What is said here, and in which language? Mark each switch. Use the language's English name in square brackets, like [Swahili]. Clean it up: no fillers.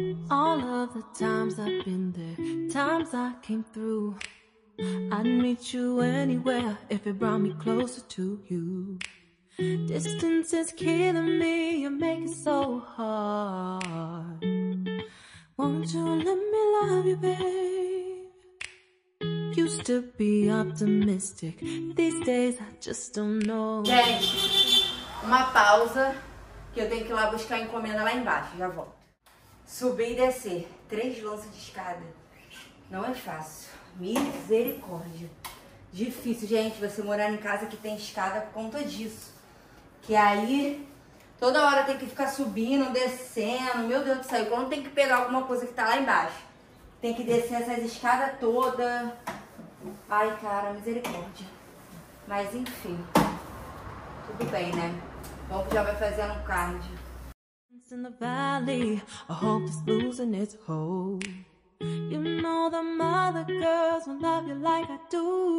[English] All of the times I've been there, times I came through, I'd meet you anywhere if it brought me closer to you. Distance is killing me, you make it so hard. Won't you let me love you, babe? Used to be optimistic. These days I just don't know. [Portuguese] Gente, uma pausa que eu tenho que ir lá buscar a encomenda lá embaixo. Já volto. Subir e descer. Três lances de escada. Não é fácil. Misericórdia. Difícil, gente, você morar em casa que tem escada por conta disso. Que aí... toda hora tem que ficar subindo, descendo. Meu Deus do céu, quando tem que pegar alguma coisa que tá lá embaixo? Tem que descer essas escadas todas. Ai, cara, misericórdia. Mas enfim. Tudo bem, né? Bom que já vai fazendo um cardio. [English] In the valley, a hope is losing its hold. You know the mother girls will love you like I do.